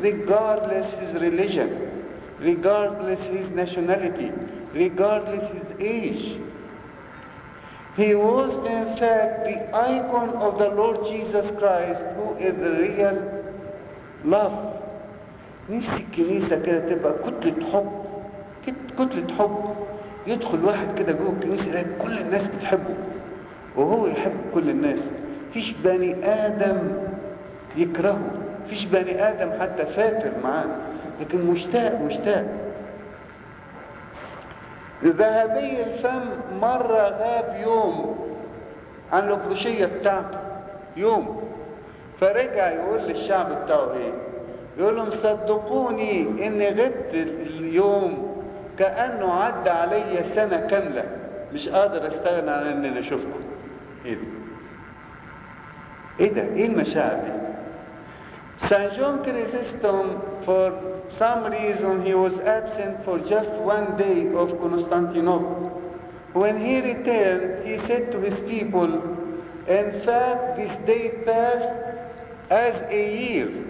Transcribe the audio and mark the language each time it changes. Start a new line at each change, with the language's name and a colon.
English: Regardless his religion, regardless his nationality, regardless his age. He was in fact the icon of the Lord Jesus Christ, who is the real love.
Arabic: نفسي الكنيسة كده تبقى كتلة حب، كتلة حب. يدخل واحد كده جوه الكنيسة يلاقي كل الناس بتحبه، وهو يحب كل الناس. فيش بني آدم يكرهه، فيش بني آدم حتى فاتر معاه، لكن مشتاق مشتاق. ذهبي الفم مرة غاب يوم عن الأبروشية بتاعته يوم، فرجع يقول للشعب بتاعه ايه؟ يقول لهم صدقوني اني غبت اليوم كأنه عدى علي سنة كاملة، مش قادر استغنى عن اني اشوفكم. ايه ده؟ ايه ده؟ ايه المشاعر دي؟
English: Saint John Chrysostom, for some reason, he was absent for just one day of Constantinople. When he returned, he said to his people, in fact, this day passed as a year.